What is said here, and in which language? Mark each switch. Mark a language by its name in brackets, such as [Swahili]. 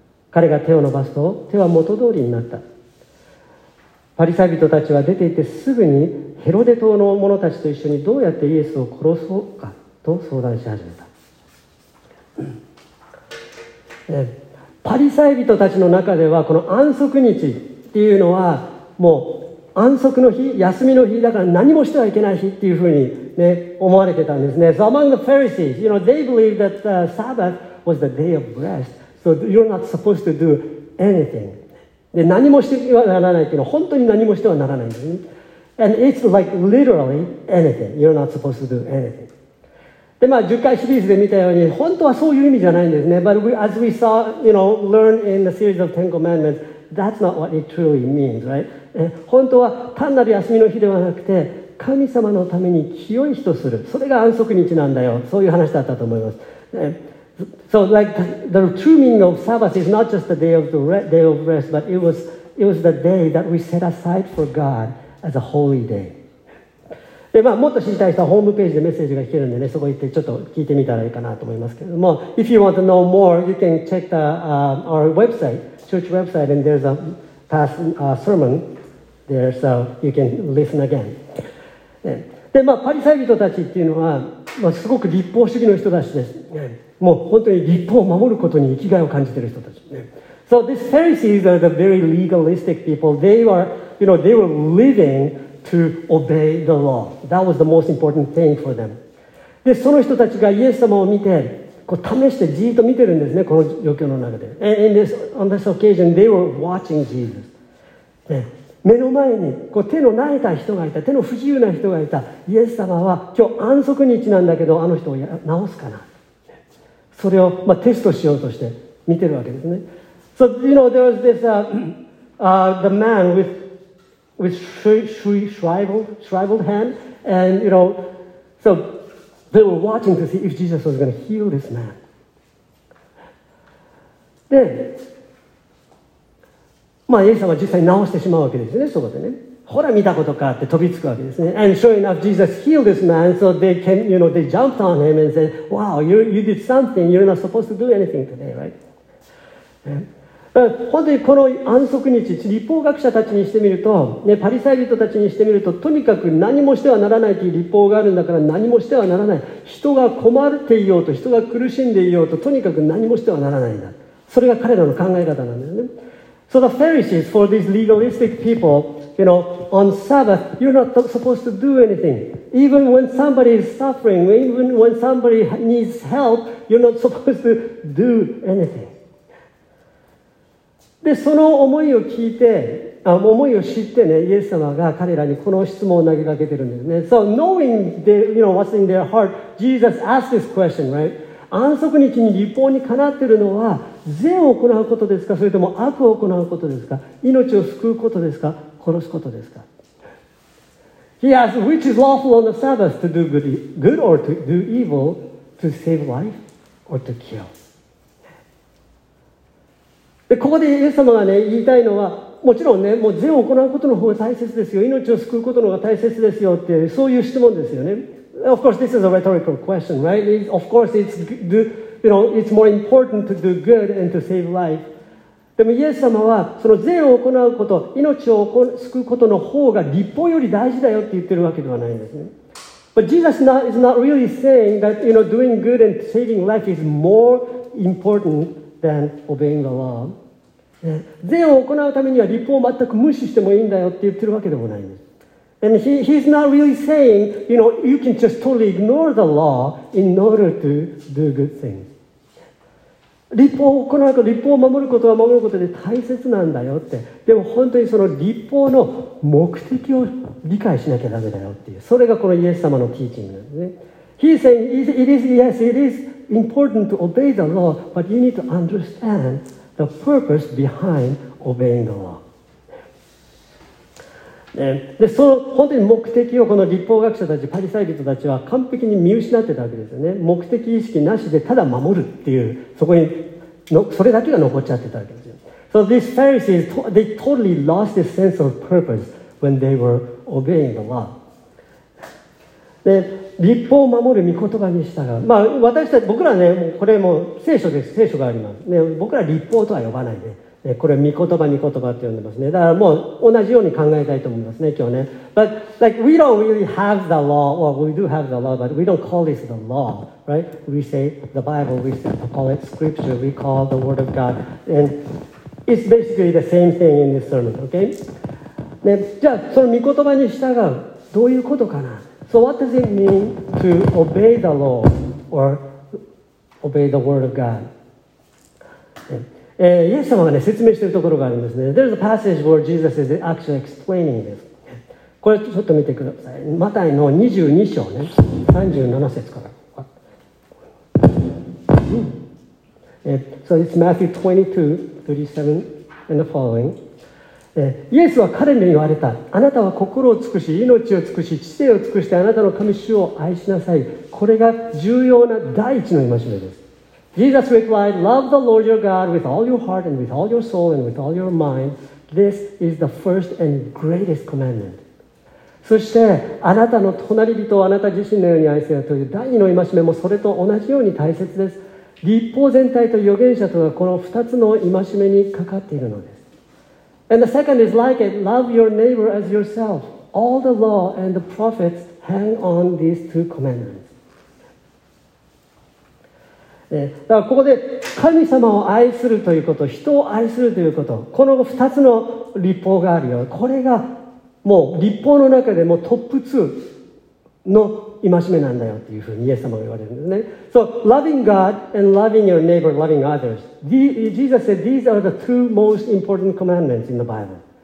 [Japanese] 彼が手を伸ばすと手は元通りになった。パリサイ人たちは出て行ってすぐにヘロデ島の者たちと一緒にどうやってイエスを殺そうかと相談し始めた。パリサイ人たちの中ではこの安息日っていうのはもう安息の日、休みの日だから何もしてはいけない日っていうふうにね思われてたんですね。 [English] So among the Pharisees, you know, they believed that the Sabbath was the day of rest. So you're not supposed to do anything. [Japanese] で何もしてはならないっていうのは本当に何もしてはならないんですね。 [English] And it's like literally anything. You're not supposed to do anything. [Japanese] で、まあ、10回シリーズで見たように、本当はそういう意味じゃないんですね。 [English] But we, as we saw, you know, learn in the series of Ten Commandments, that's not what it truly means, right? [Japanese] 本当は単なる休みの日ではなくて、神様のために清い日とする。それが安息日なんだよ。そういう話だったと思います。 [English] So, like the true meaning of Sabbath is not just the day of rest, but it was the day that we set aside for God as a holy day. [Japanese] で、まあ、もっと知りたい人はホームページでメッセージが聞けるんでね、そこ行ってちょっと聞いてみたらいいかなと思いますけども、 [English] If you want to know more, you can check the, our website, church website, and there's a past sermon there, so you can listen again. [Japanese] で、まあ、パリサイ人たちっていうのは、まあ、すごく立法主義の人たちです。もう本当に立法を守ることに生きがいを感じている人たち。 [English] So these Pharisees are the very legalistic people. They were living to obey the law. That was the most important thing for them. [Japanese] で、その人たちがイエス様を見て、こう試してじーっと見てるんですね、この状況の中で。 [English] And in this, on this occasion, they were watching Jesus.、 [Japanese] ね、目の前にこう手の慣れた人がいた、手の不自由な人がいた。イエス様は今日安息日なんだけど、あの人を治すかな、それをまあテストしようとして見てるわけですね。 [English] So you know there was this the man with shriveled hand, and you know, so they were watching to see if Jesus was going to heal this man. [Japanese] で、まあイエス様は実際に治してしまうわけですね。そこでね、ほら見たことかって飛びつくわけですね。 [English] And sure enough, Jesus healed this man. So they came, you know, they jumped on him and said, Wow, you did something. You're not supposed to do anything today, right?、 [Japanese] ね、本当にこの安息日、律法学者たちにしてみると、ね、パリサイ人たちにしてみると、とにかく何もしてはならないという律法があるんだから何もしてはならない、人が困っていようと人が苦しんでいようととにかく何もしてはならないんだ、それが彼らの考え方なんだよね。 [English] So the Pharisees, for these legalistic people, you know, on Sabbath, you're not supposed to do anything. Even when somebody is suffering, even when somebody needs help, you're not supposed to do anything. [Japanese] で、その思いを聞いて、思いを知ってね、イエス様が彼らにこの質問を投げかけてるんですね。 [English] So knowing the, you know, what's in their heart, Jesus asked this question, right? [Japanese] 安息日に律法にかなっているのは善を行うことですか、それとも悪を行うことですか、命を救うことですか、殺すことですか。 [English] He asked, which is lawful on the Sabbath, to do good or to do evil, to save life or to kill? [Japanese] で、ここでイエス様が、ね、言いたいのは、もちろん、ね、もう善を行うことの方が大切ですよ、命を救うことの方が大切ですよって、そういう質問ですよね。 [English] Of course, this is a rhetorical question, right? Of course, it's more important to do good and to save life. [Japanese] でもイエス様はその善を行うこと、命を救うことの方が律法より大事だよって言ってるわけではないんですね。 [English] But Jesus is not really saying that, you know, doing good and saving life is more important than obeying the law. [Japanese] 善を行うためには律法を全く無視してもいいんだよって言ってるわけでもないんです。 [English] And he's not really saying, you know, you can just totally ignore the law in order to do good things. [Japanese] 律法を行うか、律法を守ることは守ることで大切なんだよって。でも本当にその律法の目的を理解しなきゃダメだよっていう。それがこのイエス様のティーチングなんですね。 [English] He's saying, yes, it is important to obey the law, but you need to understand the purpose behind obeying the law. [Japanese] でその本当に目的をこの律法学者たちパリサイ人たちは完璧に見失ってたわけですよね。目的意識なしでただ守るっていう、そこにのそれだけが残っちゃってたわけですよ。 [English] So these Pharisees, they totally lost their sense of purpose when they were obeying the law. [Japanese] で律法を守る御言葉に従う、まあ、私たち僕らね、これも聖書です、聖書があります、ね、僕ら律法とは呼ばないね、これ御言葉、御言葉って呼んでますね。だからもう同じように考えたいと思いますね、今日ね。 [English] But like we don't really have the law, or、well, we do have the law, but we don't call this the law, right? We say the Bible, we call it scripture, we call the word of God, and it's basically the same thing in this sermon, okay? [Japanese] ね、じゃあその御言葉に従う、どういうことかな？ [English] So what does it mean to obey the law, or obey the word of God? [Japanese] イエス様が、ね、説明しているところがあるんですね。 [English] There's a passage where Jesus is actually explaining this. [Japanese] これちょっと見てください。マタイの22章ね、37節から。 [English] So it's Matthew 22:37 and the following. [Japanese] イエスは彼に言われた。あなたは心を尽くし、命を尽くし、知性を尽くしてあなたの神主を愛しなさい。これが重要な第一の戒めです。 [English] Jesus replied, Love the Lord your God with all your heart and with all your soul and with all your mind. This is the first and greatest commandment. [Japanese] そして、あなたの隣人をあなた自身のように愛せよという第二の戒めもそれと同じように大切です。律法全体と預言者とはこの二つの戒めにかかっているのです。 [English] And the second is like it, Love your neighbor as yourself. All the law and the prophets hang on these two commandments. [Japanese] だからここで神様を愛するということ、人を愛するということ、この2つの律法があるよ。これがもう律法の中でもトップ2の戒めなんだよっていうふうにイエス様が言われるんですね。 [English] So, loving God and loving your neighbor, loving others. Jesus said these are the two most important commandments in the Bible.